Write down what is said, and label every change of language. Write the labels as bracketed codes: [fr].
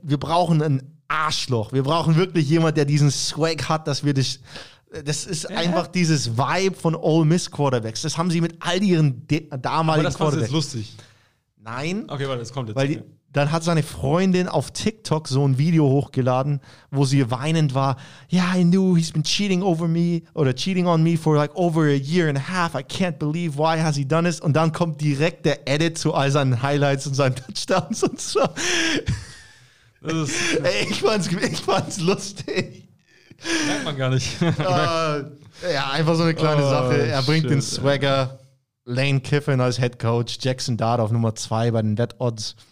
[de] Wir brauchen ein Arschloch. Wir brauchen wirklich jemand, der diesen Swag hat, dass wir das... Das ist einfach dieses Vibe von Ole Miss Quarterbacks. Das haben sie mit all ihren damaligen Quarterbacks. Aber das war jetzt lustig. Nein. Okay, warte, das kommt jetzt. Weil die, dann hat seine Freundin auf TikTok so ein Video hochgeladen, wo sie weinend war. [en] Yeah, I knew he's been cheating on me for like over a year and a half. I can't believe why has he done this. [de] Und dann kommt direkt der Edit zu all seinen Highlights und seinen Touchdowns und so. Das ist, ey, ich fand's lustig. Merkt man gar nicht. ja, einfach so eine kleine Sache. Er bringt den Swagger. Lane Kiffin als Head Coach. Jackson Dart auf Nummer 2 bei den Dead Odds.